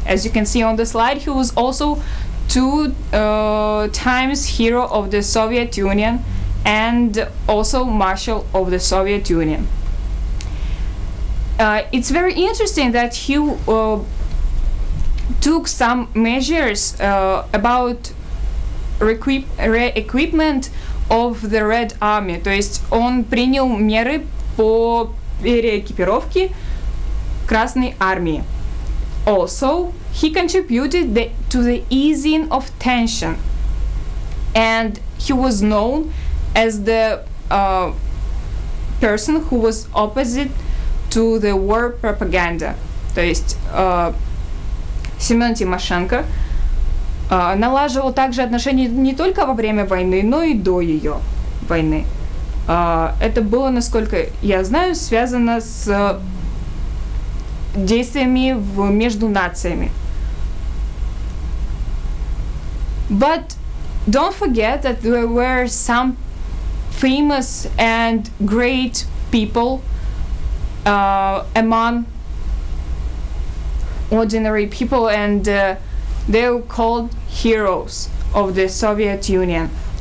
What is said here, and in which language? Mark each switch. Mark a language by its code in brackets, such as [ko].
[en] As you can see on the slide, he was also 2 times Hero of the Soviet Union and also Marshal of the Soviet Union. It's very interesting that he took some measures about re-equipment of the Red Army. [ru] То есть он принял меры по переэкипировке Красной Армии. [en] Also, he contributed to the easing of tension, and he was known as the person who was opposite to the war propaganda. [ru] То есть Семен Тимошенко налаживал также отношения не только во время войны, но и до ее войны. Это было, насколько я знаю, связано с действиями между нациями. [en] But don't forget that there were some famous and great people among ordinary people, and they were called heroes of the Soviet Union.